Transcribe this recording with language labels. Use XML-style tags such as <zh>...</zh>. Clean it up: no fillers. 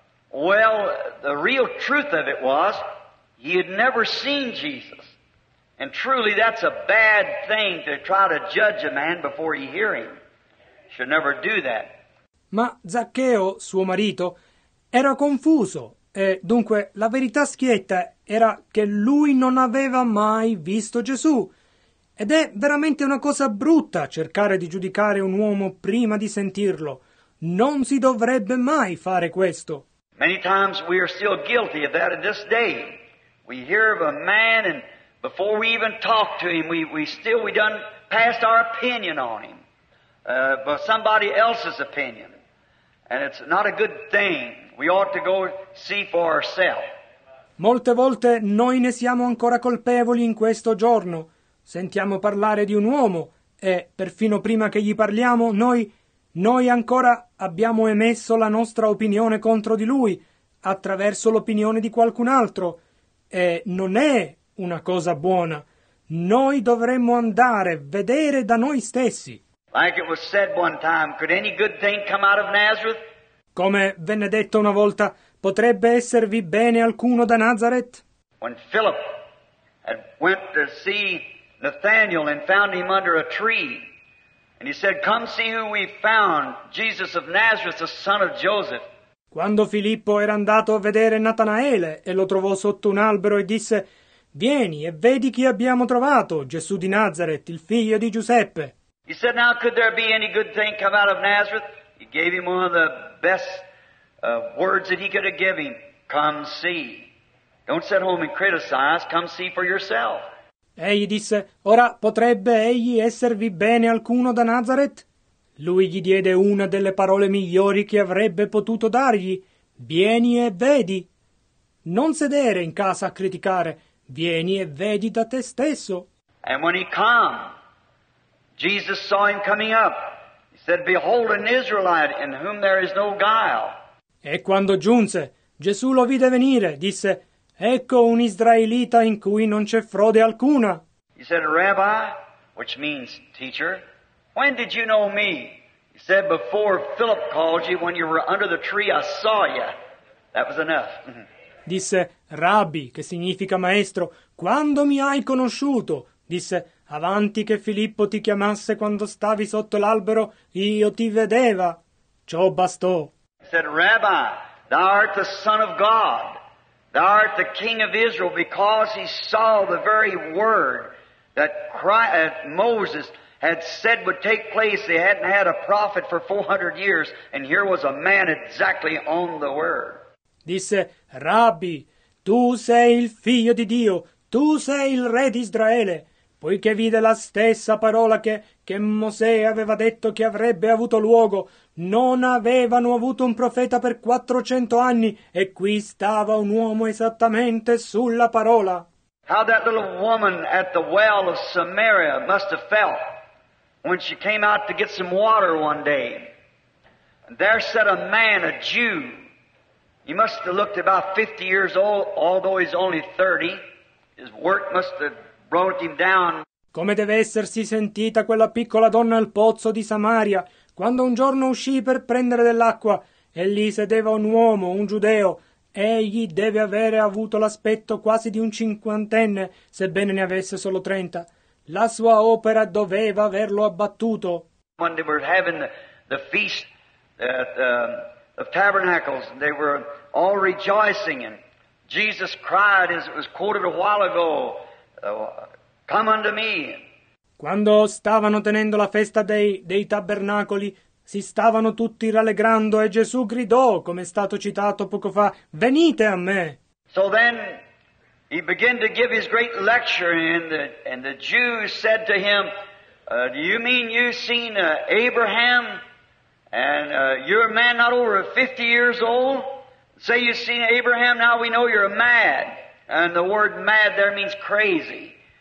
<en>Well, the real truth of it was, he had never seen Jesus. And truly, that's a bad thing to try to judge a man before you hear him. Should never do that.</en> <it>Ma Zaccheo, suo marito, era confuso. E dunque, la verità schietta era che lui non aveva mai visto Gesù. Ed è veramente una cosa brutta cercare di giudicare un uomo prima di sentirlo. Non si dovrebbe mai fare questo.</it> <en>Many times we are still guilty of that in this day. We hear of a man and before we even talk to him, we done passed our opinion on him. But somebody else's opinion. And it's not a good thing. We ought to go see for ourselves.</en> <it>Molte volte noi ne siamo ancora colpevoli in questo giorno. Sentiamo parlare di un uomo e perfino prima che gli parliamo noi ancora abbiamo emesso la nostra opinione contro di lui attraverso l'opinione di qualcun altro. E non è una cosa buona. Noi dovremmo andare a vedere da noi stessi.</it> <en>Like it was said one time, could any good thing come out of Nazareth?</en> <it>Come venne detto una volta, potrebbe esservi bene alcuno da Nazareth?</it> <en>When Philip had went to see Nathanael and found him under a tree, and he said, come see who we found, Jesus of Nazareth, the son of Joseph.</en> <it>Quando Filippo era andato a vedere Natanaele e lo trovò sotto un albero e disse, vieni e vedi chi abbiamo trovato, Gesù di Nazareth, il figlio di Giuseppe.</it> <en>He said, now could there be any good thing come out of Nazareth? He gave him one of the best words that he could have given him. Come see. Don't sit home and criticize. Come see for yourself.</en> <it>Egli disse, ora potrebbe egli esservi bene alcuno da Nazareth? Lui gli diede una delle parole migliori che avrebbe potuto dargli. Vieni e vedi. Non sedere in casa a criticare. Vieni e vedi da te stesso.</it> <en>And when he came, Jesus saw him coming up. He said, behold an Israelite in whom there is no guile.</en> <it>E quando giunse, Gesù lo vide venire, disse, ecco un israelita in cui non c'è frode alcuna.</it> <en>He said, Rabbi, which means teacher, when did you know me? He said, before Philip called you, when you were under the tree, I saw you. That was enough.</en> <it>Disse, Rabbi, che significa maestro, quando mi hai conosciuto? Disse, avanti che Filippo ti chiamasse quando stavi sotto l'albero, io ti vedeva. Ciò bastò.</it> <en>He said, Rabbi, thou art the Son of God. Thou art the King of Israel, because he saw the very word that Moses had said would take place. They hadn't had a prophet for 400 years, and here was a man exactly on the word.</en> <it>Disse, Rabbi, tu sei il figlio di Dio, tu sei il re di Israele, poiché vide la stessa parola che Mosè aveva detto che avrebbe avuto luogo, non avevano avuto un profeta per 400 anni, e qui stava un uomo esattamente sulla parola.</it> <en>How that little woman at the well of Samaria must have felt when she came out to get some water one day. There sat a man, a Jew. He must have looked about 50 years old, although he's only 30. His work must have brought him down.</en> <it>Come deve essersi sentita quella piccola donna al pozzo di Samaria, quando un giorno uscì per prendere dell'acqua, e lì sedeva un uomo, un giudeo. Egli deve avere avuto l'aspetto quasi di un cinquantenne, sebbene ne avesse solo 30. La sua opera doveva averlo abbattuto.</it> <en>When they were having the feast of tabernacles, they were all rejoicing, and Jesus cried, as it was quoted a while ago, come unto me.</en> <it>Quando stavano tenendo la festa dei tabernacoli, si stavano tutti rallegrando, e Gesù gridò, come è stato citato poco fa, venite a me.</it> <en>So then he began to give his great lecture, and the Jews said to him, do you mean you've seen Abraham, and you're a man not over 50 years old? Say you've seen Abraham, now we know you're mad. And the word mad there means crazy.</en>